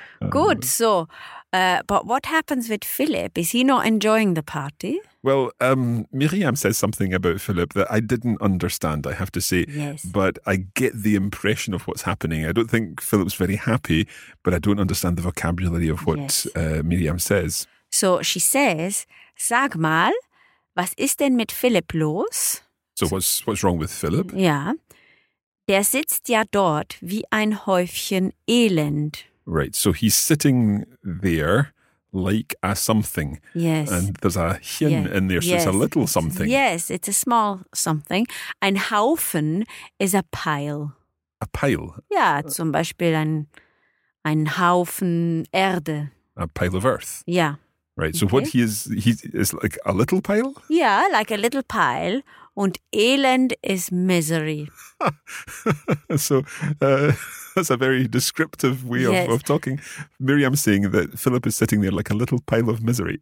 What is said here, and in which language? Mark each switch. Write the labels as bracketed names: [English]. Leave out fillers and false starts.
[English] Good, so, but what happens with Philip? Is he not enjoying the party? Well, Miriam says something about Philip that I didn't understand, I have to say. Yes. But I get the impression of what's happening. I don't think Philip's very happy, but I don't understand the vocabulary of what Miriam says. So she says, [German] sag mal, was ist denn mit Philip los? [English] So what's wrong with Philip? Yeah. [German] Der sitzt ja dort wie ein Häufchen Elend. [English] Right, so he's sitting there. Like a something. Yes. And there's a hin in there, so it's a little something. Yes, it's a small something. [German] Ein Haufen [English] is a pile. A pile? [German] Yeah, zum Beispiel ein Haufen Erde. [English] A pile of earth. Yeah. Right, so what he is like a little pile? Yeah, like a little pile. [German] Und Elend [English] is misery. So that's a very descriptive way of talking. Miriam's saying that Philip is sitting there like a little pile of misery.